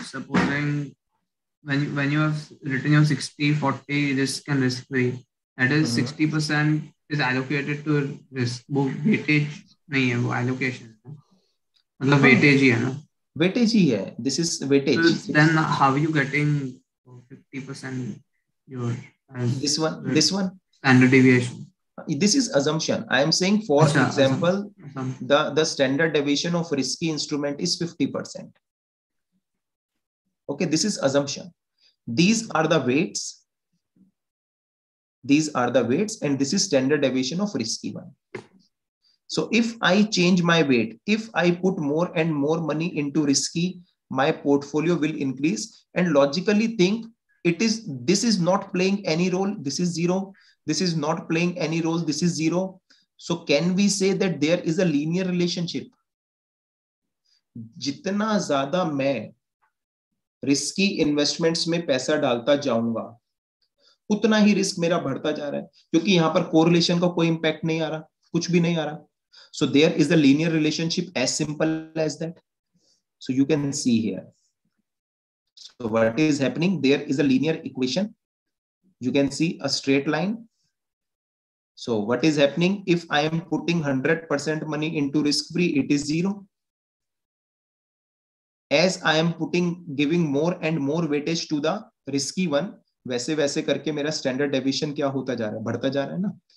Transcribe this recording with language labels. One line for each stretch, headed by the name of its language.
English: When you have written your 60, 40 risk and risk free, that is 60% is allocated to risk.
Hindi: वो weightage नहीं है, वो allocation है. मतलब weightage ही है ना? Weightage ही है.
English: This is weightage. So then how are you getting 50% your? This one. Standard deviation. This is assumption. I am saying for example, the standard deviation of risky instrument is 50%. Okay, this is assumption. These are the weights and this is standard deviation of risky one. So if I change my weight, if I put more and more money into risky, my portfolio will increase. And logically think, this is not playing any role, this is zero. This is not playing any role, this is zero. So can we say that there is a linear relationship?
Hindi: जितना ज्यादा मैं risky investments में पैसा डालता जाऊंगा उतना ही risk मेरा बढ़ता जा रहा है, क्योंकि यहां पर कोरिलेशन का कोई इंपैक्ट नहीं आ रहा, कुछ भी नहीं आ रहा.
English: So there is the linear relationship as simple as that. So you can see here, so what is happening, there is a linear equation, you can see a straight line. So what is happening if I am putting 100% money into risk-free, it is zero. As I am putting, giving more and more weightage to the risky one,
Hindi: वैसे वैसे करके मेरा standard deviation क्या होता जा रहा है, बढ़ता जा रहा है ना.